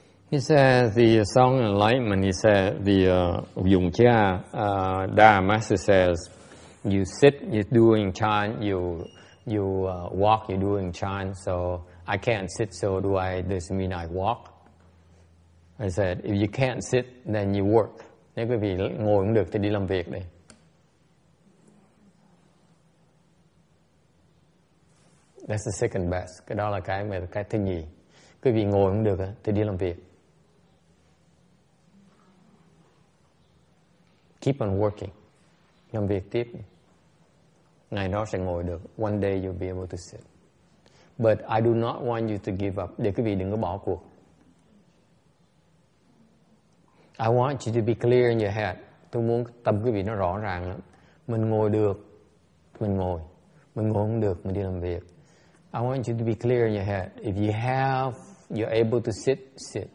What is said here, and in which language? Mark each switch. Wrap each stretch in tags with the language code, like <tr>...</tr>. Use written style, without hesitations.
<en>He said the song enlightenment. He said the Yung Chia Da Master says, you sit, you're doing chan, you walk, you're doing chan. So I can't sit, so do I? This mean I walk? I said, if you can't sit, then you work.</en> <vi>Nếu quý vị ngồi không được thì đi làm việc đi.</vi> <en>That's the second best.</en> <vi>Cái đó là cái thứ nhì. Quý vị ngồi không được thì đi làm việc.</vi> <en>Keep on working.</en> <vi>Làm việc tiếp. Ngày đó sẽ ngồi được.</vi> <en>One day you'll be able to sit. But I do not want you to give up.</en> <vi>Để quý vị đừng có bỏ cuộc.</vi> <en>I want you to be clear in your head.</en> <vi>Tôi muốn tâm quý vị nó rõ ràng lắm. Mình ngồi được. Mình ngồi. Mình ngồi không được. Mình đi làm việc.</vi> <en>I want you to be clear in your head. If you have, you're able to sit, sit.</en>